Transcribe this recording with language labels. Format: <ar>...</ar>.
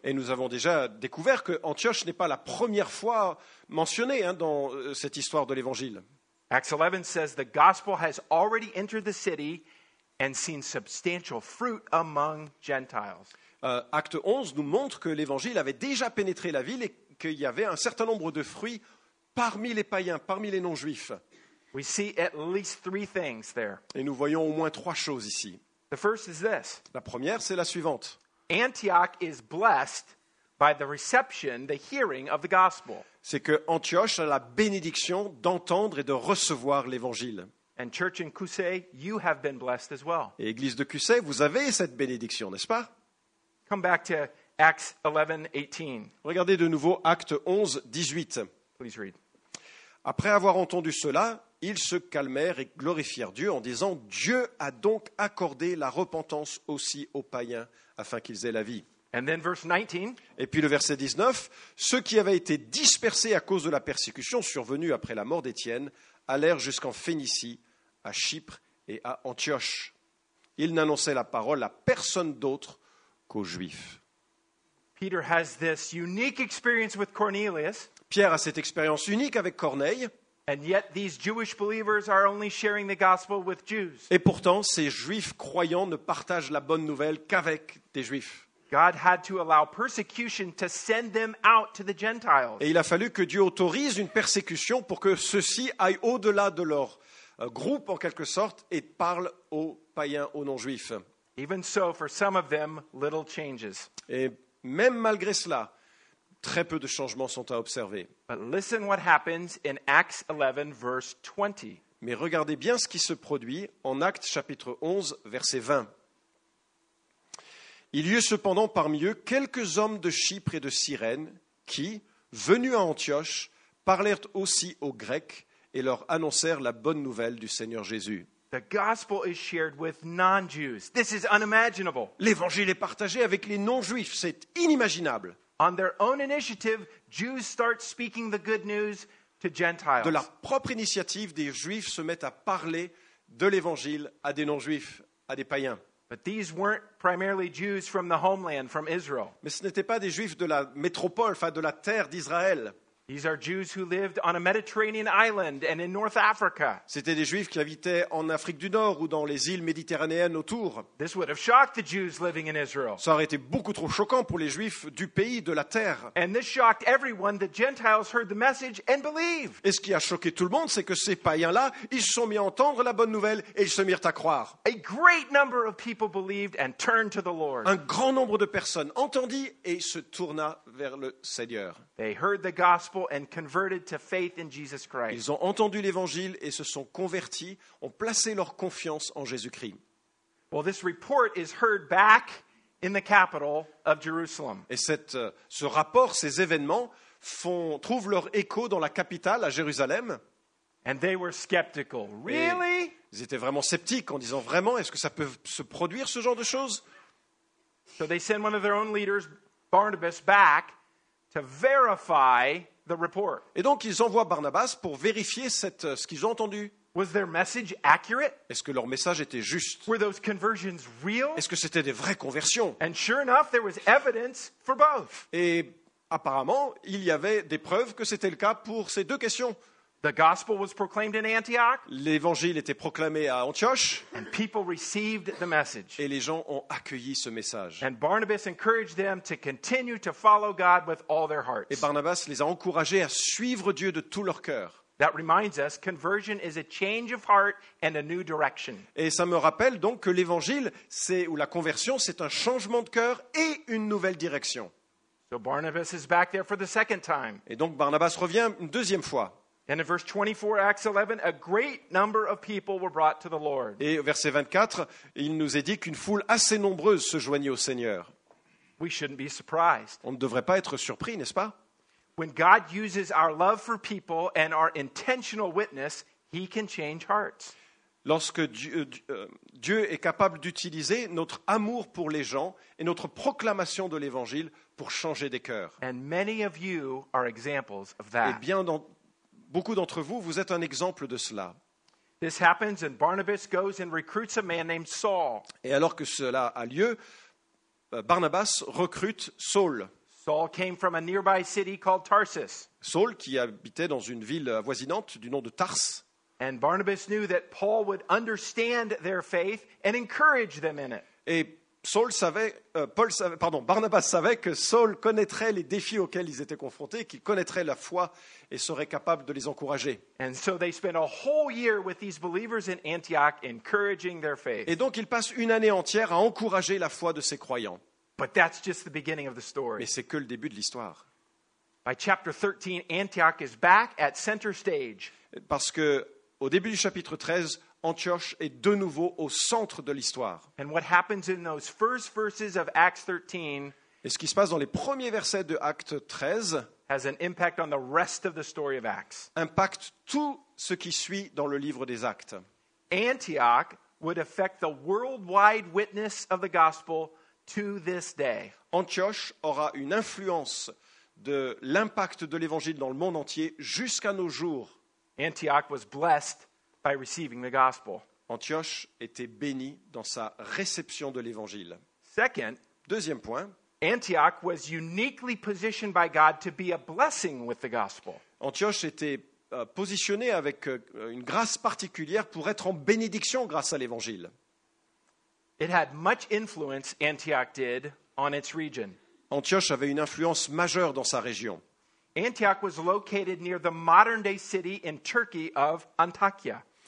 <fr>Et nous avons déjà découvert que Antioche n'est pas la première fois mentionnée hein, dans cette histoire de l'évangile.</fr> <en>Acts 11 says the gospel has already entered the city and seen substantial fruit among Gentiles.</en> <fr>Acte 11 nous montre que l'évangile avait déjà pénétré la ville et qu'il y avait un certain nombre de fruits parmi les païens, parmi les non-juifs.</fr> <en>We see at least three things there.</en> <fr>Et nous voyons au moins trois choses ici.</fr> <en>The first is this.</en> <fr>La première, c'est la suivante.</fr> <en>Antioch is blessed by the reception, the hearing of the gospel.</en> <fr>C'est que Antioche a la bénédiction d'entendre et de recevoir l'évangile.</fr> <en>And church in Cusay, you have been blessed as well.</en> <fr>Et église de Cusay, vous avez cette bénédiction, n'est-ce pas?</fr> <en>Come back to Acts 11:18.</en> <fr>Regardez de nouveau Acte 11, 18.</fr> <en>Please read.</en> <fr>Après avoir entendu cela, ils se calmèrent et glorifièrent Dieu en disant « Dieu a donc accordé la repentance aussi aux païens afin qu'ils aient la vie. » Et puis le verset 19 « Ceux qui avaient été dispersés à cause de la persécution survenue après la mort d'Étienne allèrent jusqu'en Phénicie, à Chypre et à Antioche. Ils n'annonçaient la parole à personne d'autre qu'aux Juifs. »</fr> <en>Peter has this unique experience with Cornelius.</en> <fr>Pierre a cette expérience unique avec Corneille.</fr> <en>And yet these Jewish believers are only sharing the gospel with Jews.</en> <fr>Et pourtant ces juifs croyants ne partagent la bonne nouvelle qu'avec des juifs.</fr> <en>God had to allow persecution to send them out to the Gentiles.</en> <fr>Et il a fallu que Dieu autorise une persécution pour que ceux-ci aillent au-delà de leur groupe en quelque sorte et parlent aux païens, aux non-juifs.</fr> <en>Even so, for some of them, little changes.</en> <fr>Et même malgré cela, très peu de changements sont à observer.</fr> <en>But listen what happens in Acts 11, verse 20.</en> <fr>Mais regardez bien ce qui se produit en Actes chapitre 11, verset 20. Il y eut cependant parmi eux quelques hommes de Chypre et de Cyrène qui, venus à Antioche, parlèrent aussi aux Grecs et leur annoncèrent la bonne nouvelle du Seigneur Jésus.</fr> <en>The gospel is shared with non-Jews. This is unimaginable.</en> <fr>L'évangile est partagé avec les non-juifs. C'est inimaginable.</fr> <en>On their own initiative, Jews start speaking the good news to Gentiles.</en> <fr>De leur propre initiative, des Juifs se mettent à parler de l'évangile à des non-Juifs, à des païens.</fr> <en>But these weren't primarily Jews from the homeland, from Israel.</en> <fr>Mais ce n'étaient pas des Juifs de la métropole, enfin de la terre d'Israël.</fr> <en>These are Jews who lived on a Mediterranean island and in North Africa.</en> <fr>C'était des Juifs qui habitaient en Afrique du Nord ou dans les îles méditerranéennes autour.</fr> <en>This would have shocked the Jews living in Israel.</en> <fr>Ça aurait été beaucoup trop choquant pour les Juifs du pays, de la terre.</fr> <en>And this shocked everyone. The Gentiles heard the message and believed.</en> <fr>Et ce qui a choqué tout le monde, c'est que ces païens-là, ils se sont mis à entendre la bonne nouvelle et ils se mirent à croire.</fr> <en>A great number of people believed and turned to the Lord.</en> <fr>Un grand nombre de personnes entendit et se tourna vers le Seigneur.</fr> <en>They heard the gospel and converted to faith in Jesus Christ.</en> <fr>Ils ont entendu l'évangile et se sont convertis, ont placé leur confiance en Jésus-Christ.</fr> <en>Well, this report is heard back in the capital of Jerusalem.</en> <fr>Et ce rapport, ces événements trouvent leur écho dans la capitale, à Jérusalem.</fr> <en>And they were skeptical. Really?</en> <fr>Ils étaient vraiment sceptiques en disant, vraiment, est-ce que ça peut se produire, ce genre de choses?</fr> <en>So they send one of their own leaders, Barnabas, back to verify the report.</en> <fr>Et donc, ils envoient Barnabas pour vérifier ce qu'ils ont entendu.</fr> <en>Was their message accurate?</en> <fr>Est-ce que leur message était juste?</fr> <en>Were those conversions real?</en> <fr>Est-ce que c'était des vraies conversions?</fr> <en>And sure enough, there was evidence for both.</en> <fr>Et apparemment, il y avait des preuves que c'était le cas pour ces deux questions.</fr> <en>The gospel was proclaimed in Antioch.</en> <fr>L'évangile était proclamé à Antioche.</fr> <en>And people received the message.</en> <fr>Et les gens ont accueilli ce message.</fr> <en>And Barnabas encouraged them to continue to follow God with all their hearts.</en> <fr>Et Barnabas les a encouragés à suivre Dieu de tout leur cœur.</fr> <en>That reminds us, conversion is a change of heart and a new direction.</en> <fr>Et ça me rappelle donc que l'évangile, la conversion, c'est un changement de cœur et une nouvelle direction.</fr> <en>So Barnabas is back there for the second time.</en> <fr>Et donc Barnabas revient une deuxième fois.</fr> <en>And in verse 24, Acts 11, a great number of people were brought to the Lord.</en> <fr>Et verset 24, il nous est dit qu'une foule assez nombreuse se joignit au Seigneur.</fr> <en>We shouldn't be surprised.</en> <fr>On ne devrait pas être surpris, n'est-ce pas?</fr> <en>When God uses our love for people and our intentional witness, He can change hearts.</en> <fr>Lorsque Dieu est capable d'utiliser notre amour pour les gens et notre proclamation de l'Évangile pour changer des cœurs.</fr> <en>And many of you are examples of that.</en> <fr>Beaucoup d'entre vous, vous êtes un exemple de cela.</fr> <en>This happens and Barnabas goes and recruits a man named Saul.</en> <fr>Et alors que cela a lieu, Barnabas recrute Saul.</fr> <en>Saul came from a nearby city called Tarsus.</en> <fr>Saul, qui habitait dans une ville avoisinante du nom de Tars.</fr> <en>And Barnabas knew that Paul would understand their faith and encourage them in it.</en> <fr>Et Barnabas savait que Saul connaîtrait les défis auxquels ils étaient confrontés, qu'il connaîtrait la foi et serait capable de les encourager.</fr> <en>And so they spent a whole year with these believers in Antioch encouraging their faith.</en> <fr>Et donc ils passent une année entière à encourager la foi de ces croyants.</fr> <en>But that's just the beginning of the story.</en> <fr>Mais c'est que le début de l'histoire.</fr> <en>By chapter 13, Antioch is back at center stage.</en> <fr>Parce que au début du chapitre 13, Antioche est de nouveau au centre de l'histoire.</fr> <en>And what happens in those first verses of Acts 13?</en> <fr>Et ce qui se passe dans les premiers versets de Acte 13</fr> <en>has an impact on the rest of the story of Acts.</en> <fr>Impacte tout ce qui suit dans le livre des Actes.</fr> <en>Antioch would affect the worldwide witness of the gospel to this day.</en> <fr>Antioche aura une influence de l'impact de l'évangile dans le monde entier jusqu'à nos jours.</fr> <en>Antioch was blessed by receiving the gospel.</en> <fr>Antioche était béni dans sa réception de l'évangile.</fr> <en>Second,</en> <fr>deuxième point,</fr> <en>Antioch was uniquely positioned by God to be a blessing with the gospel.</en> <fr>Antioche était positionné avec une grâce particulière pour être en bénédiction grâce à l'évangile.</fr> <en>It had much influence, Antioch did, on its region.</en> <fr>Antioche avait une influence majeure dans sa région.</fr> <en>Antioch was located near the modern-day city in Turkey of Antakya.</en>